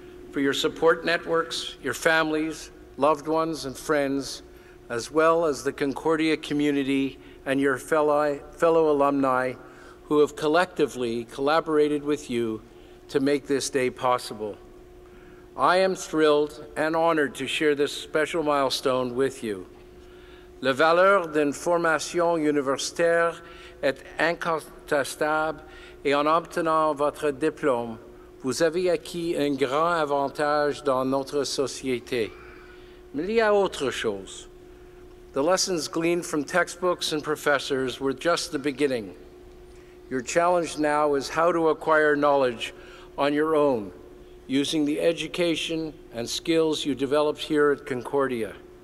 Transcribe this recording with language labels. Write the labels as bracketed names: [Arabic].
[English] for your support networks, your families, loved ones, and friends, as well as the Concordia community and your fellow alumni who have collectively collaborated with you to make this day possible. I am thrilled and honored to share this special milestone with you. [French] La valeur d'une formation universitaire est incontestable et en obtenant votre diplôme, vous avez acquis un grand avantage dans notre société. Mais il y a autre chose. [English] The lessons gleaned from textbooks and professors were just the beginning. Your challenge now is how to acquire knowledge on your own, using the education and skills you developed here at Concordia.